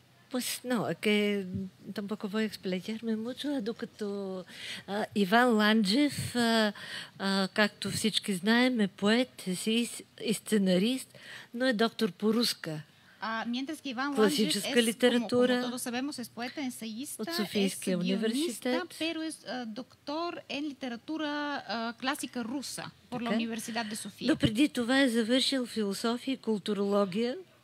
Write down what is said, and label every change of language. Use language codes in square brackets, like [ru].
[es] Pues no, que tampoco voy a explayarme mucho, [bg] докато Иван Ланджев, както всички знаем, е поет и сценарист, но е доктор по руска. [es] Mientras que Iván Ланджев, como todos sabemos, es poeta, ensayista, es guionista, pero es doctor en literatura clásica rusa por la Universidad de Sofía. [bg] Но преди това е завършил философия и културология.